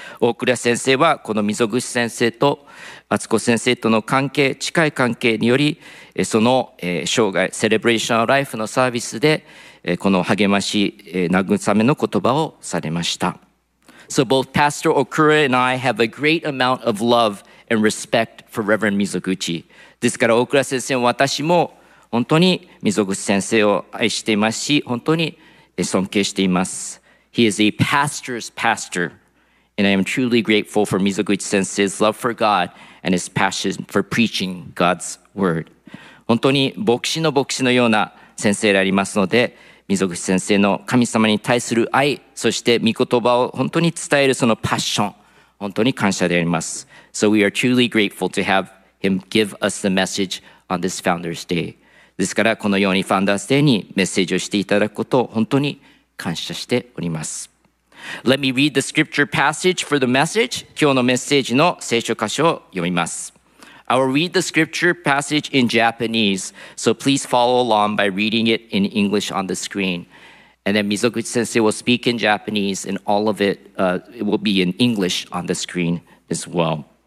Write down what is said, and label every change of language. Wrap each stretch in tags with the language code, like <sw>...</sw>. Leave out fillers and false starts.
<ja>大倉先生はこの溝口先生と厚子先生との関係、近い関係によりその生涯、セレブレーションライフのサービスでこの励まし、慰めの言葉をされました。</ja> <en>So both Pastor Okura and I have a great amount of love and respect for Reverend Mizoguchi.</en> <ja>ですから大倉先生も私も本当に溝口先生を愛していますし、本当に尊敬しています。</ja> <en>He is a pastor's pastor. And I am truly grateful for Mizoguchi sensei's love for God and his passion for preaching God's word.</en> <ja>本当に牧師の牧師のような先生でありますので、Mizoguchi先生の神様に対する愛、そして御言葉を本当に伝えるそのパッション、本当に感謝であります。</ja> <en>So we are truly grateful to have him give us the message on this Founders Day.</en> <ja>ですからこのようにファンダースデーにメッセージをしていただくことを本当に感謝しております。</ja> <en>Let me read the scripture passage for the message.</en> <ja>今日のメッセージの聖書箇所を読みます。</ja> <en>I will read the scripture passage in Japanese, so please follow along by reading it in English on the screen. And then Mizoguchi sensei will speak in Japanese, and all of it, it will be in English on the screen as well.</en>